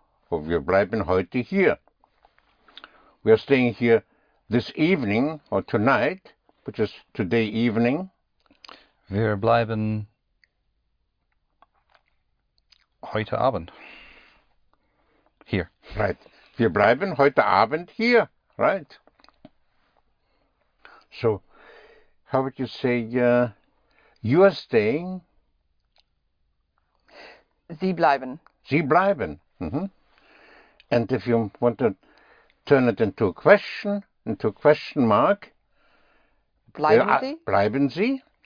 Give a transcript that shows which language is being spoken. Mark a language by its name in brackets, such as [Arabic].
[German] Or wir bleiben heute hier. [English] We are staying here this evening or tonight, which is today evening. [German] Wir bleiben heute Abend here. [English] Right. [German] Wir bleiben heute Abend hier. [English] Right. So, how would you say you are staying? [German] Sie bleiben. Sie bleiben. Mm-hmm. [English] And if you want to turn it into a question mark, [German] Bleiben Sie?